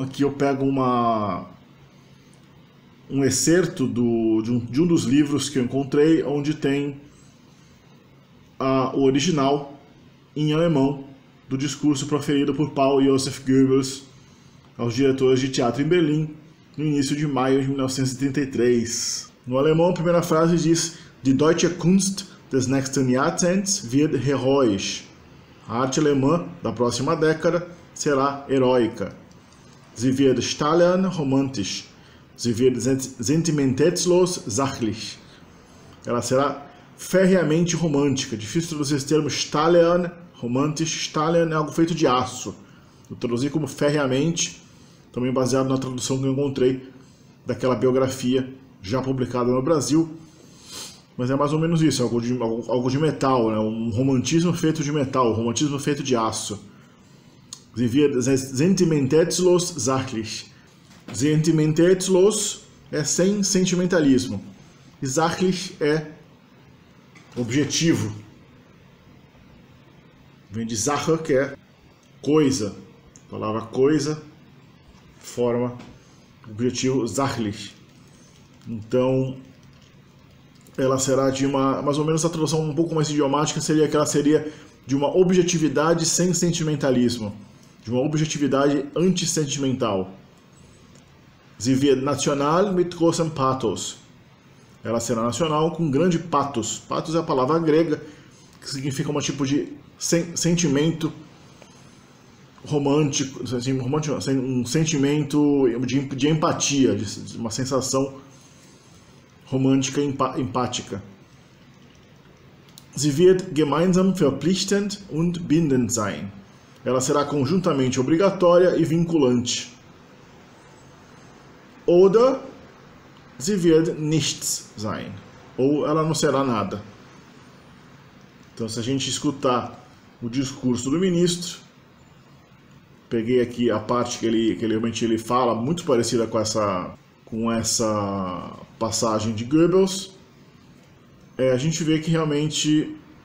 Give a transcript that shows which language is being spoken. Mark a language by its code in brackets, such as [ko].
[pt] Aqui eu pego um excerto de um dos livros que eu encontrei, onde tem o original em alemão do discurso proferido por Paul Joseph Goebbels aos diretores de teatro em Berlim, no início de maio de 1933. No alemão, a primeira frase diz: [de] Die deutsche Kunst des nächsten Jahrzehnts wird heroisch. [pt] A arte alemã da próxima década será heróica. [de] Sie wird stahlern romantisch. Sie wird sentimentetslos sachlich. [pt] Ela será ferreamente romântica. Difícil traduzir esse termo [de] stahlern romantisch. [pt] Stahlern é algo feito de aço. Eu traduzi como ferreamente, também baseado na tradução que eu encontrei daquela biografia já publicada no Brasil. Mas é mais ou menos isso, algo de metal, né? Um romantismo feito de metal, um romantismo feito de aço. [de] Sie wird sentimentetslos sachlich. [pt] Sentimentetslos é sem sentimentalismo. Sachlich é objetivo. Vem de Sache, que é coisa. A palavra coisa forma o objetivo sachlich. Então, ela será de uma, mais ou menos a tradução um pouco mais idiomática seria que ela seria de uma objetividade sem sentimentalismo, de uma objetividade antissentimental. [de] Sie wird national mit großem Pathos. [pt] Ela será nacional com grande pathos. Pathos é a palavra grega que significa um tipo de sentimento romântico, um sentimento de empatia, de uma sensação romântica e empática. [de] Sie wird gemeinsam verpflichtend und bindend sein. [pt] Ela será conjuntamente obrigatória e vinculante. [de] Oder sie wird nichts sein. [pt] Ou ela não será nada. Então, se a gente escutar o discurso do ministro, peguei aqui a parte que ele fala, muito parecida com essa passagem de Goebbels, a gente vê que realmente.